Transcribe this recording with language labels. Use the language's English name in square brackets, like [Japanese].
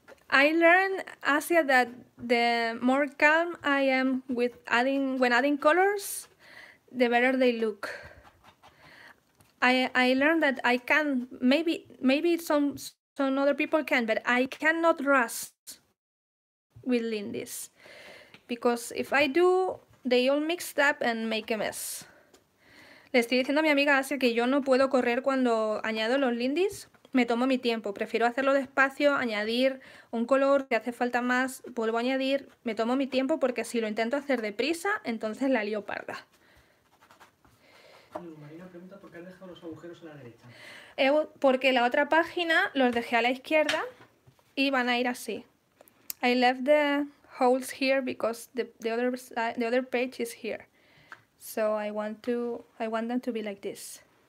[English] I learned, Asia, that the more calm I am with adding colors, the better they look. I learned that I can, maybe some other people can, but I cannot rush with Lindy's. Because if I do, they all mixed up and make a mess. [Spanish] Le estoy diciendo a mi amiga Asia que yo no puedo correr cuando añado los Lindy's. Me tomo mi tiempo. Prefiero hacerlo despacio, añadir un color, si hace falta más, vuelvo a añadir. Me tomo mi tiempo porque si lo intento hacer deprisa, entonces la lío parda. Marina pregunta por qué has dejado los agujeros a la derecha. Porque la otra página los dejé a la izquierda y van a ir así. [English] I left the holes here because the other page is here. So I want them to be like this.